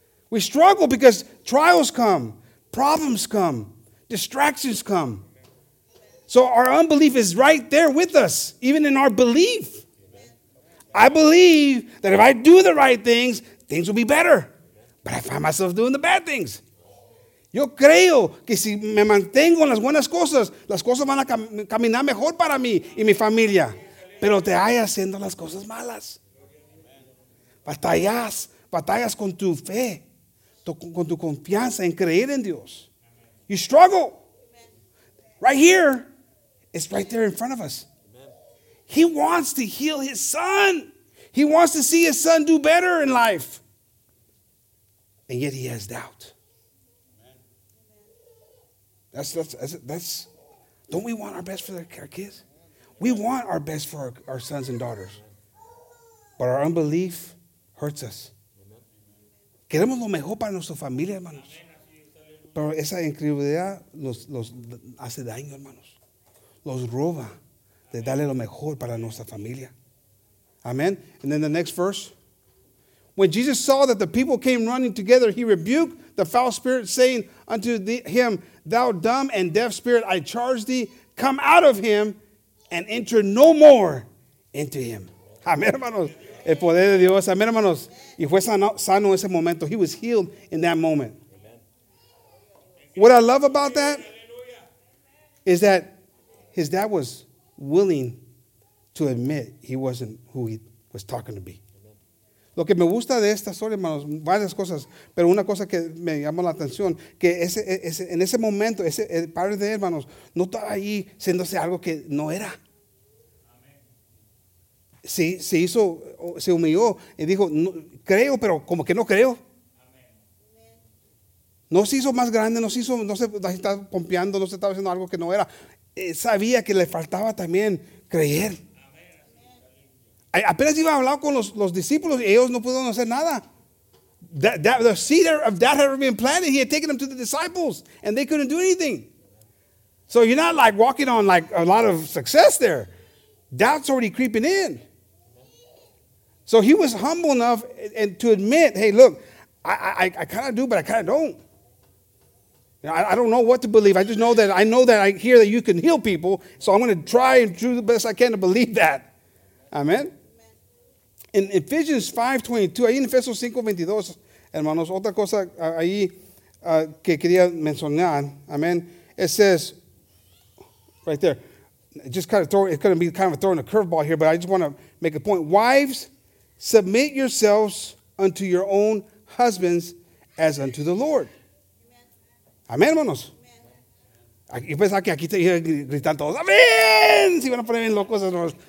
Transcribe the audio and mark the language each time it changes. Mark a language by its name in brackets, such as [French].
[English] We struggle because trials come, problems come, distractions come. So our unbelief is right there with us, even in our belief. I believe that if I do the right things, things will be better. But I find myself doing the bad things. [Spanish] Yo creo que si me mantengo en las cosas van a caminar mejor para mí y mi familia. Pero te hay haciendo las cosas malas. Batallas con tu fe, con tu confianza en creer en Dios. [English] You struggle. Right here, it's right there in front of us. He wants to heal his son. He wants to see his son do better in life. And yet he has doubt. That's. Don't we want our best for our kids? We want our best for our sons and daughters. But our unbelief hurts us. [Spanish] Queremos lo mejor para nuestra familia, hermanos. Pero esa incredulidad los hace daño, hermanos. Los roba de darle lo mejor para nuestra familia. [English] Amen. And then the next verse. When Jesus saw that the people came running together, he rebuked the foul spirit, saying unto him, thou dumb and deaf spirit, I charge thee, come out of him and enter no more into him. [Spanish] Amen, hermanos. El poder de Dios. Amen, hermanos. Y fue sano en ese momento. [English] He was healed in that moment. What I love about that is that his dad was willing to admit he wasn't who he was talking to be. [Spanish] Lo que me gusta de esta historia, hermanos, varias cosas, pero una cosa que me llamó la atención, que en ese momento, el padre de hermanos, no estaba ahí siéndose algo que no era. Se humilló y dijo, no, creo, pero como que no creo. No se hizo más grande, no se estaba pompeando, no se estaba haciendo algo que no era. Sabía que le faltaba también creer. Apenas iba a hablar con los discípulos y ellos no pudieron hacer nada. [English] The seed of doubt had been planted. He had taken them to the disciples and they couldn't do anything. So you're not like walking on like a lot of success there. Doubt's already creeping in. So he was humble enough and to admit, hey, look, I kind of do, but I kind of don't. You know, I don't know what to believe. I just know that I know that I hear that you can heal people. So I'm going to try and do the best I can to believe that. Amen. In Ephesians 5:22, [Spanish] ahí en Efesios 5:22, hermanos, otra cosa ahí que quería mencionar, amen. [English] It says, right there, just kind of throw, it's going to be kind of throwing a curveball here, but I just want to make a point. Wives, submit yourselves unto your own husbands as unto the Lord. [Spanish] Amen, hermanos. Yo pensaba que aquí te iba a gritar todos, amen, si van a poner bien locos, hermanos.